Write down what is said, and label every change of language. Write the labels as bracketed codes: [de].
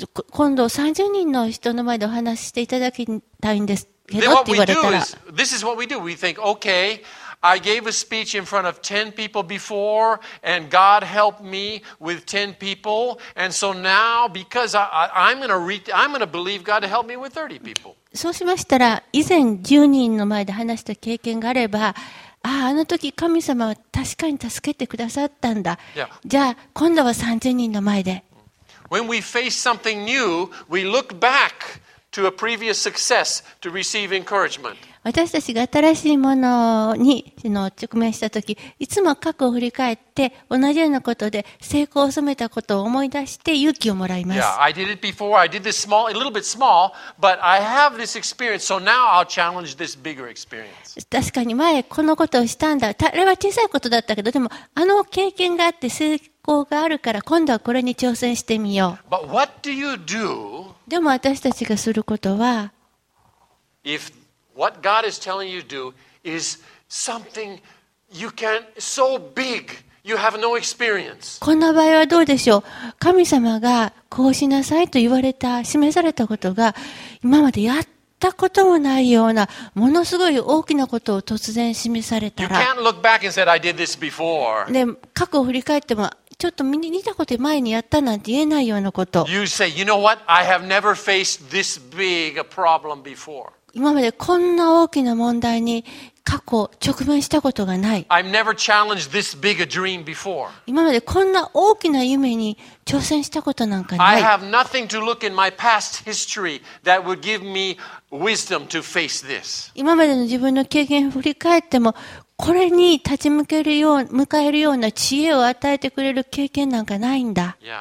[ja] 今度30人の人の前でお話していただきたいんです。 [en] Then what we do is, this is what we do. We think, okay, I gave a speech in front of 10 people before, and God helped me with 10 people, and so now, because I'm gonna believe God to help me with 30 people. [ja] そうしましたら、以前10人の前で話した経験があれば、あの時神様は確かに助けてくださったんだ。じゃあ今度は30人の前で。 [en] When we face something new, we look back. To a previous success, to receive encouragement. [ja] 私たちが新しいものに直面したとき、いつも過去を振り返って、同じようなことで成功を収めたことを思い出して勇気をもらいます。 [en] Yeah, I did it before. I did this small, a little bit small, but I have this experience, so now I'll challenge this bigger experience. [ja] 確かに前このことをしたんだ。あれは小さいことだったけど、でもあの経験があって成功があるから、今度はこれに挑戦してみよう。 [en] But what do you do? [ja] でも私たちがすることは、 [en] If what God is telling you to do is something you can't so big, you have no experience. [ja] こんな場合はどうでしょう。神様がこうしなさいと言われた、示されたことが、今までやったこともないような、ものすごい大きなことを突然示されたら、 [en] You can't look back and say, I did this before. [ja] で、過去を振り返っても、ちょっと見似たこと前にやったなんて言えないようなこと。 [en] You say, you know what? I have never faced this big a problem before. [ja] 今までこんな大きな問題に過去直面したことがない。 [en] I've never challenged this big a dream before. [ja] 今までこんな大きな夢に挑戦したことなんかない。 [en] I have nothing to look in my past history that would give me wisdom to face this. [ja] 今までの自分の経験を振り返っても、これに立ち向けるよう、迎えるような知恵を与えてくれる経験なんかないんだ。